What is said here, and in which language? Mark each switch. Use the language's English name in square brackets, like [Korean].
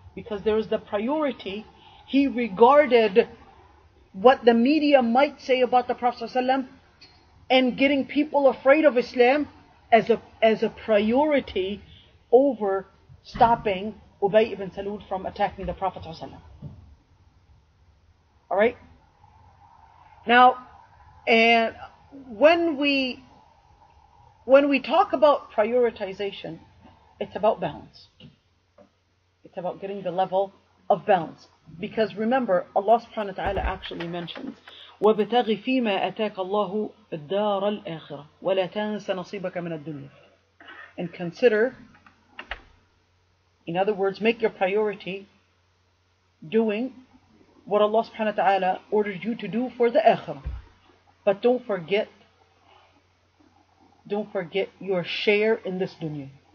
[English] Because there is the priority. He regarded what the media might say about the Prophet sallallahu alaihi wasallam and getting people afraid of Islam as a priority over stopping Ubay ibn Salul from attacking the Prophet sallallahu alaihi wasallam. All right. Now, and when we talk about prioritization, it's about balance. It's about getting the level of balance. Because remember, Allah subhanahu wa ta'ala actually mentions, [Arabic] وَبِتَغِ فِيمَا أَتَاكَ اللَّهُ الدَّارَ الْآخِرَةِ وَلَا تَنْسَ نَصِيبَكَ مِنَ الدُّنْيَا. [English] And consider, in other words, make your priority doing what Allah subhanahu wa ta'ala ordered you to do for the akhirah. But don't forget your share in this dunya.